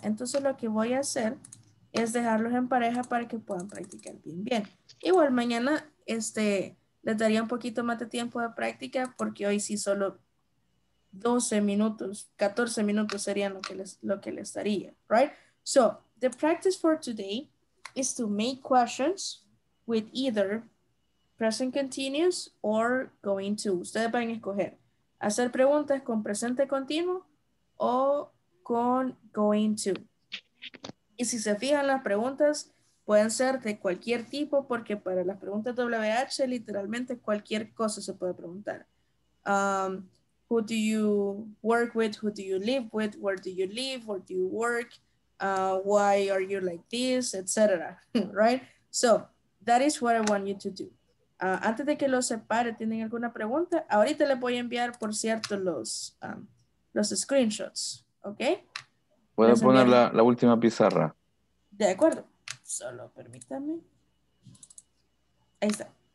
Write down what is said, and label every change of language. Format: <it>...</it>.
<es>Entonces, lo que voy a hacer es dejarlos en pareja para que puedan practicar bien, bien. Igual mañana les daría un poquito más de tiempo de práctica porque hoy sí solo 12 minutos, 14 minutos serían lo que les daría, right?</es> <en>So, the practice for today is to make questions with either present continuous or going to.</en> <es>Ustedes van a escoger hacer preguntas con presente continuo o con going to. Y si se fijan, las preguntas pueden ser de cualquier tipo, porque para las preguntas WH, literalmente cualquier cosa se puede preguntar.</es> <en>Who do you work with? Who do you live with? Where do you live? Where do you work? Why are you like this? Etc. Right? So, that is what I want you to do.</en> <es>Antes de que los separe, ¿tienen alguna pregunta? Ahorita les voy a enviar, por cierto, los screenshots. ¿Ok? ¿Puedo poner la última pizarra? De acuerdo. Solo permítame. Ahí está.</es>